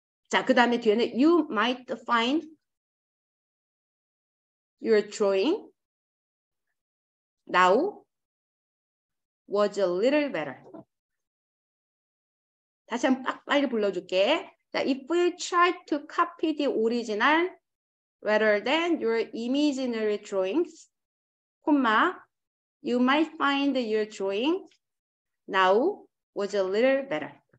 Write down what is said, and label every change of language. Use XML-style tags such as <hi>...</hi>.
<ko>자, 그 다음에 뒤에는</ko> <en>you might find your drawing now was a little better.</en> <ko>다시 한번 빨리 불러줄게.</ko> <en>자, if we try to copy the original, rather than your imaginary drawings, 콤마, you might find your drawing now was a little better.</en>